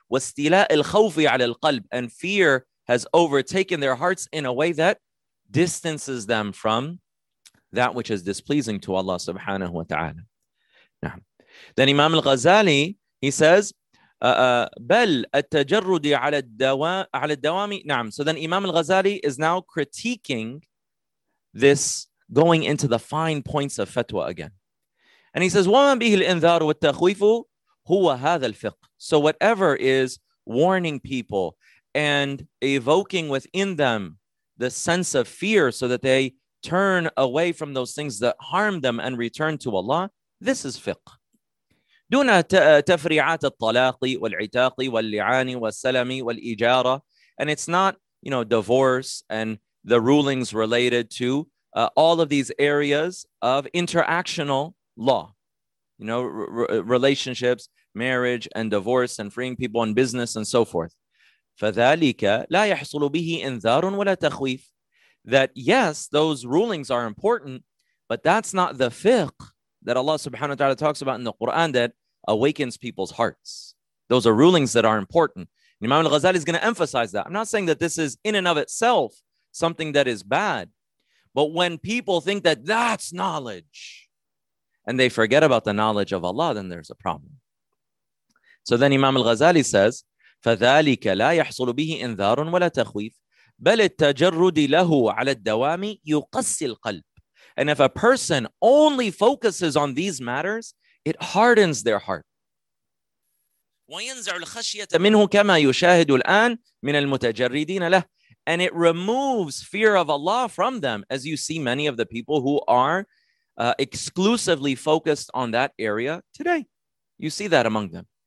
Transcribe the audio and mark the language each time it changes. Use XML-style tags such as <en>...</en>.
<ar>وَاسْتِلَاءِ الْخَوْفِ عَلَى الْقَلْبِ,</ar> <en>and fear has overtaken their hearts in a way that distances them from that which is displeasing to Allah subhanahu wa ta'ala. Now, then Imam al-Ghazali, he says,</en> <ar>بَلْ التَّجَرُّدِ عَلَى الدَّوَامِ.</ar> <en>Now, so then Imam al-Ghazali is now critiquing this, going into the fine points of fatwa again. And he says,</en> <ar>وَمَا بِهِ الْإِنذَارُ وَالتَّخْوِيفُ هُوَ هَذَا الْفِقْهُ.</ar> <en>So whatever is warning people and evoking within them the sense of fear so that they turn away from those things that harm them and return to Allah, this is fiqh.</en> <ar>دُونَ تَفْرِعَاتَ الطَّلَاقِ وَالْعِتَاقِ وَاللِّعَانِ وَالسَّلَمِ وَالْإِجَارَةِ.</ar> <en>And it's not, you know, divorce and the rulings related to all of these areas of interactional law, you know, relationships, marriage and divorce and freeing people in business and so forth.</en> <ar>فَذَلِكَ لَا يَحْصُلُ بِهِ إِنذَارٌ وَلَا تَخْوِيفٌ.</ar> <en>That yes, those rulings are important, but that's not the fiqh that Allah subhanahu wa ta'ala talks about in the Quran that awakens people's hearts. Those are rulings that are important. Imam al-Ghazali is going to emphasize that. I'm not saying that this is in and of itself something that is bad. But when people think that that's knowledge and they forget about the knowledge of Allah, then there's a problem. So then Imam al-Ghazali says,</en> <ar>فَذَلِكَ لَا يَحْصُلُ بِهِ إِنذَارٌ وَلَا تَخْوِيفٌ بَلِ التَّجَرُّدِ لَهُ عَلَى الدَّوَامِ يُقَسِّ الْقَلْبِ.</ar> <en>And if a person only focuses on these matters, it hardens their heart.</en> <ar>وَيَنْزَعُ الْخَشْيَةَ مِنْهُ كَمَا يُشَاهِدُ الْآنَ مِنَ الْمُتَجَرِّدِينَ لَهُ.</ar> <en>And it removes fear of Allah from them, as you see many of the people who are exclusively focused on that area today. You see that among them.</en>